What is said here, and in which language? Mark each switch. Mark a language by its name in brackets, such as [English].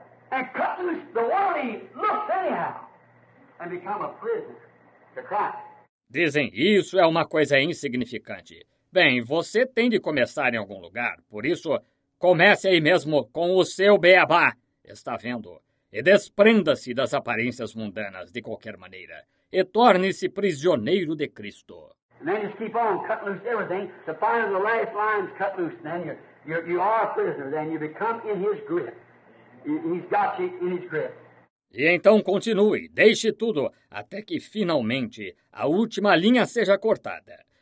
[English] and cut loose the world he looks anyhow, and become a prisoner to Christ. [Portuguese] Dizem, isso é uma coisa insignificante. Bem, você tem de começar em algum lugar, por isso, comece aí mesmo com o seu beabá, está vendo? E desprenda-se das aparências mundanas, de qualquer maneira, e torne-se prisioneiro de Cristo. [English] And then just keep on cutting loose everything. The final, the last line's cut loose, and then you are a prisoner, then you become in his grip. He's got you in his grip. [Portuguese] E então continue, deixe tudo, até que finalmente a última linha seja cortada.